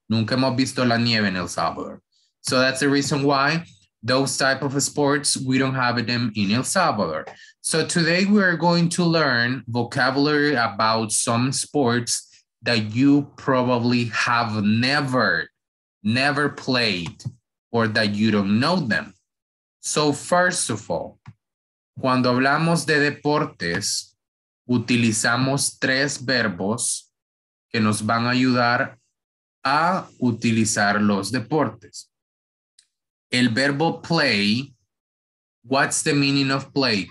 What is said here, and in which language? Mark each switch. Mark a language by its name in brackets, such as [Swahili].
[Spanish] Nunca hemos visto la nieve en El Salvador. [English] So that's the reason why those type of sports, we don't have them in El Salvador. So today we are going to learn vocabulary about some sports that you probably have never played or that you don't know them. So first of all, [Spanish] cuando hablamos de deportes, utilizamos tres verbos que nos van a ayudar a utilizar los deportes. El verbo [English] play, what's the meaning of play?